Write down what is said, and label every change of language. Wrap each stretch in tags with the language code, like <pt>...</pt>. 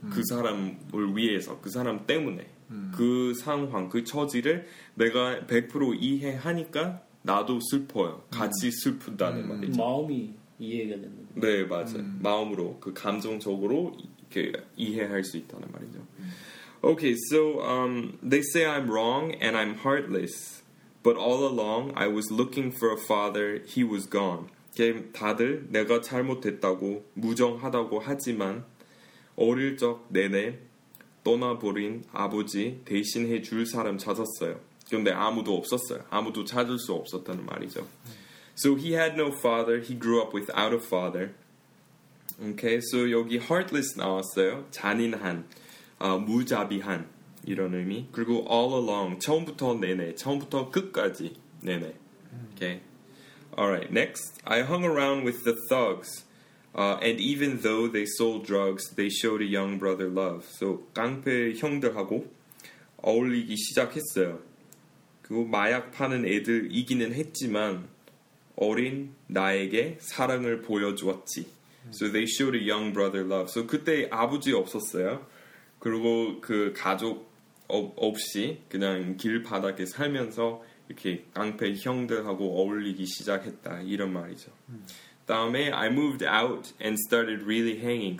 <ko>그 사람을 위해서 그 사람 때문에 그 상황, 그 처지를 내가 100% 이해하니까 나도 슬퍼요. 같이 슬프다는 말이죠. 마음이 이해가 되는 거. 네, 맞아요. 마음으로, 그 감정적으로 이렇게 이해할 수 있다는 말이죠.</ko> <en>Okay, so they say I'm wrong and I'm heartless. But all along, I was looking for a father. He was gone.</en> <ko>Okay, 다들 내가 잘못했다고, 무정하다고 하지만 어릴 적 내내 떠나버린 아버지 대신해 줄 사람 찾았어요. 근데 아무도 없었어요. 아무도 찾을 수 없었다는 말이죠.</ko> <en>So he had no father. He grew up without a father. Okay, so</en> <ko>여기 heartless 나왔어요. 잔인한, 무자비한 이런 의미. 그리고 all along, 처음부터 내내, 처음부터 끝까지 내내.</ko> <en>Okay. Alright, next. I hung around with the thugs. And even though they sold drugs, they showed a young brother love.</en> <ko>So, 깡패 형들하고 어울리기 시작했어요. 그리고 마약 파는 애들 이기는 했지만, 어린 나에게 사랑을 보여주었지.</ko> <en>So, they showed a young brother love.</en> <ko>So, 그때 아버지 없었어요. 그리고 그 가족 없이 그냥 길바닥에 살면서 이렇게 깡패 형들하고 어울리기 시작했다. 이런 말이죠. 다음에</ko> <en>I moved out and started really hanging.</en>